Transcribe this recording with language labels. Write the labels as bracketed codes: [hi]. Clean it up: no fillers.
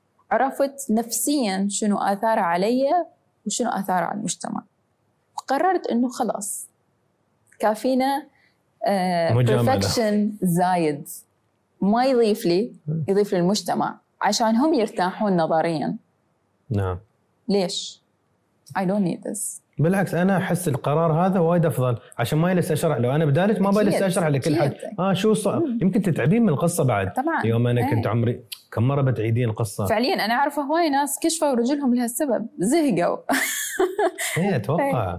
[ar] عرفت نفسياً شنو آثاره علي وشنو آثاره على المجتمع، وقررت إنه خلاص كافينا perfection زايد، ما يضيف لي، يضيف للمجتمع عشان هم يرتاحون نظرياً. نعم. ليش؟ [en] I don't need this. [ar] بالعكس أنا أحس القرار هذا وايد أفضل، عشان ما يلس أشرح. لو أنا بدالك ما بلس أشرح لكل حد. شو صعب؟ يمكن تتعبين من القصة بعد. طبعاً. يوم أنا كنت عمري كم مرة بتعيدين القصة؟ فعلياً أنا أعرف هواي ناس كشفوا رجلهم لهالسبب، زهقوا. هي أتوقع.